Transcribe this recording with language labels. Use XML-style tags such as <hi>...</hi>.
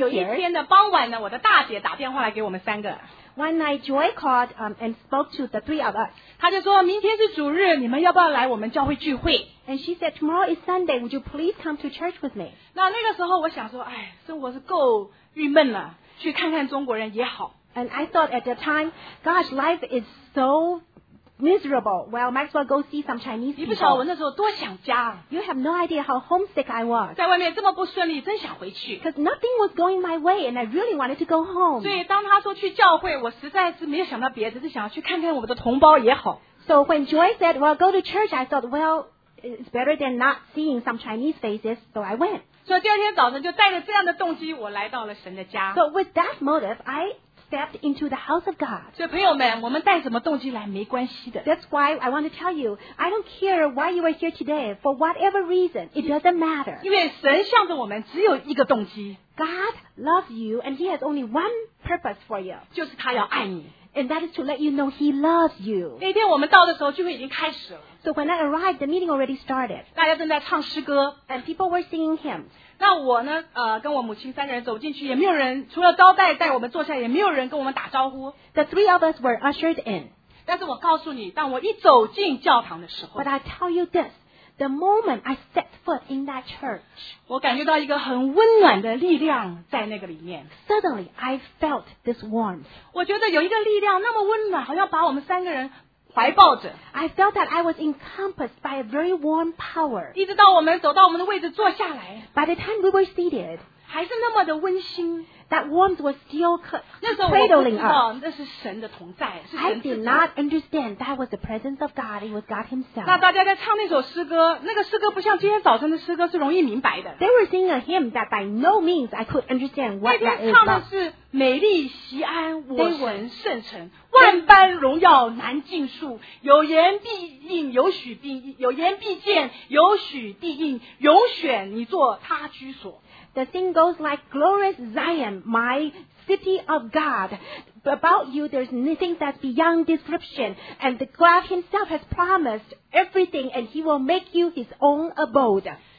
<zh>就有一天的傍晚呢，我的大姐打电话来给我们三个。</zh> <en>One night, Joy called and spoke to the three of us.</en> <zh>她就说，明天是主日，你们要不要来我们教会聚会？</zh> <en>And she said, tomorrow is Sunday, would you please come to church with me?</en> <zh>那个时候我想说，哎，生活是够郁闷了，去看看中国人也好。</zh> <en>And I thought at that time, gosh, life is so miserable. Well, might as well go see some Chinese people.</en> <zh>你不晓得我那时候多想家。</zh> <en>You have no idea how homesick I was.</en> <zh>在外面这么不顺利，真想回去。</zh> <en>Because nothing was going my way, and I really wanted to go home.</en> <zh>所以当他说去教会，我实在是没有想到别的，是想要去看看我们的同胞也好。</zh> <en>So when Joy said, "Well, go to church," I thought, "Well, it's better than not seeing some Chinese faces." So I went.</en> <zh>所以第二天早晨就带着这样的动机，我来到了神的家。</zh> <en>So with that motive, I stepped into the house of God.</en> <zh>所以朋友们，我们带什么动机来没关系的。</zh> <en>That's why I want to tell you, I don't care why you are here today, for whatever reason, it doesn't matter.</en> <zh>因为神向着我们只有一个动机。</zh> <en>God loves you, and he has only one purpose for you.</en> <zh>就是他要爱你。</zh> <en>And that is to let you know he loves you.</en> <zh>那天我们到的时候，聚会已经开始了。</zh> <en>So when I arrived, the meeting already started.</en> <zh>大家正在唱诗歌。</zh> <en>And people were singing hymns.</en> <zh>那我呢跟我母亲三个人走进去，也没有人除了招待带我们坐下，也没有人跟我们打招呼。</zh> <en>The three of us were ushered in.</en> <zh>但是我告诉你，当我一走进教堂的时候，</zh> <en>But I tell you this, the moment I set foot in that church,</en> <zh>我感觉到一个很温暖的力量在那个里面。</zh> <en>Suddenly I felt this warmth.</en> <zh>我觉得有一个力量那么温暖，好像把我们三个人怀抱着。</zh> <en>I felt that I was encompassed by a very warm power.</en> <zh>一直到我们走到我们的位置坐下来。</zh> <en>By the time we were seated,</en> <zh>还是那么的温馨。</zh> <en>That warmth was still cradling up.</en> <zh>那时候我不知道那是神的同在，是神自己。</zh> <en>I did not understand that was the presence of God. It was God himself.</en> <zh>那大家在唱那首诗歌，那个诗歌不像今天早晨的诗歌是容易明白的。</zh> <en>They were singing a hymn that by no means I could understand what that is about.</en> <zh>那天唱的是美丽西安，我闻圣城，万般荣耀难尽数。有言必应，有许必应，有言必见，有许必应。永选你做他居所。</zh> <en>The thing goes like, glorious Zion, my city of God. About you, there's nothing that's beyond description, and the God Himself has promised everything, and He will make you His own abode.</en>